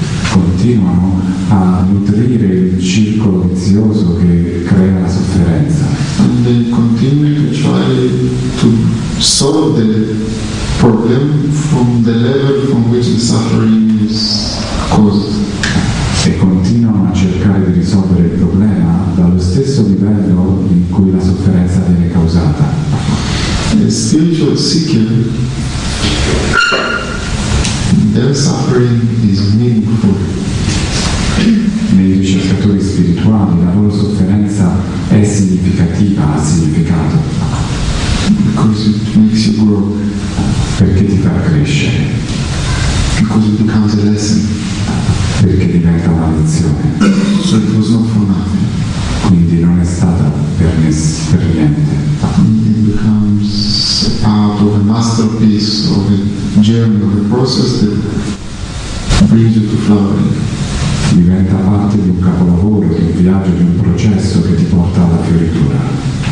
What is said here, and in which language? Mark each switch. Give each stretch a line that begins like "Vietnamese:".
Italian: Continuano a nutrire il circolo vizioso che crea la sofferenza.
English: And they continue to try to solve the problem from the level from which the suffering is caused.
Italian: E continuano a cercare di risolvere il problema dallo stesso livello in cui la sofferenza viene causata.
English: The spiritual seeker, their suffering is meaningful.
Italian: Nei ricercatori spirituali la loro sofferenza è significativa, ha significato.
English: Because it makes you grow.
Italian: Perché ti fa crescere.
English: Because it becomes a lesson.
Italian: Perché diventa una lezione.
English: So it was not for nothing.
Italian: Quindi non è stata per niente.
English: It becomes a part of a masterpiece of a journey of a process that brings you to flowering.
Italian: Diventa parte di un capolavoro, di un viaggio, di un processo che ti porta alla fioritura.